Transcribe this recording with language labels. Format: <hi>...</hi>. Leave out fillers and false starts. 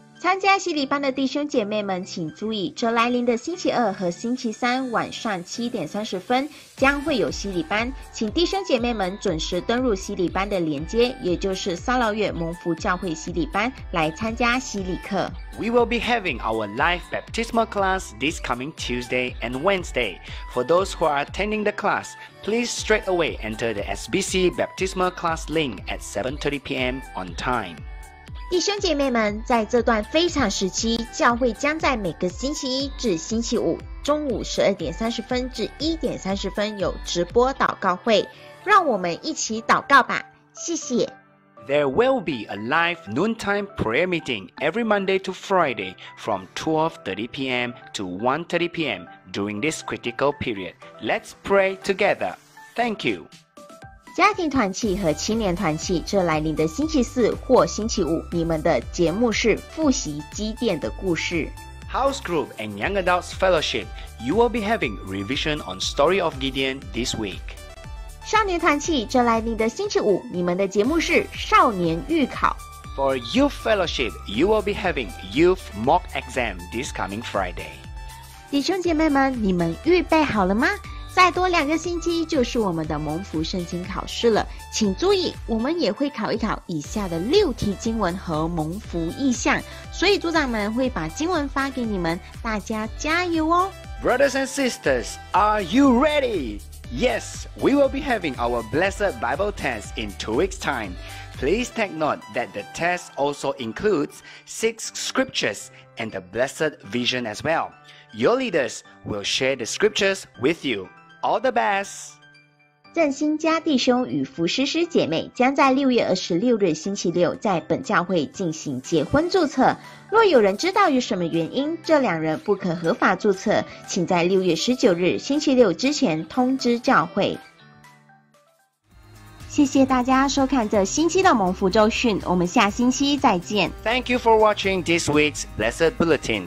<zh>参加洗礼班的弟兄姐妹们请注意，这来临的星期二和星期三晚上7:30将会有洗礼班，请弟兄姐妹们准时登入洗礼班的连接，也就是撒劳越蒙福教会洗礼班，来参加洗礼课。</zh> <en>We will be having our live baptismal class this coming Tuesday and Wednesday. For those who are attending the class, please straight away enter the SBC baptismal class link at 7:30 PM on time.</en> <zh>弟兄姐妹们，在这段非常时期，教会将在每个星期一至星期五中午12:30至1:30有直播祷告会，让我们一起祷告吧，谢谢。</zh> <en>There will be a live noontime prayer meeting every Monday to Friday from 12:30 PM to 1:30 PM during this critical period. Let's pray together. Thank you.</en> <zh>家庭团契和青年团契，这来临的星期四或星期五，你们的节目是复习基甸的故事。</zh> <en>House group and young adults fellowship, you will be having revision on story of Gideon this week.</en> <zh>少年团契，这来临的星期五，你们的节目是少年预考。</zh> <en>For youth fellowship, you will be having youth mock exam this coming Friday.</en> <zh>弟兄姐妹们，你们预备好了吗？再多两个星期就是我们的蒙福圣经考试了，请注意，我们也会考一考以下的六题经文和蒙福意象，所以组长们会把经文发给你们，大家加油哦。</zh> <en>Brothers and sisters, are you ready? Yes, we will be having our blessed Bible test in 2 weeks time. Please take note that the test also includes 6 scriptures and the blessed vision as well. Your leaders will share the scriptures with you. All the best!</en> <zh>正兴家弟兄与福诗诗姐妹将在6月26日星期六在本教会进行结婚注册。若有人知道有什么原因，这两人不可合法注册，请在6月19日星期六之前通知教会。谢谢大家收看这星期的蒙福周讯，我们下星期再见。</zh> <en>Thank you for watching this week's Blessed Bulletin.</en>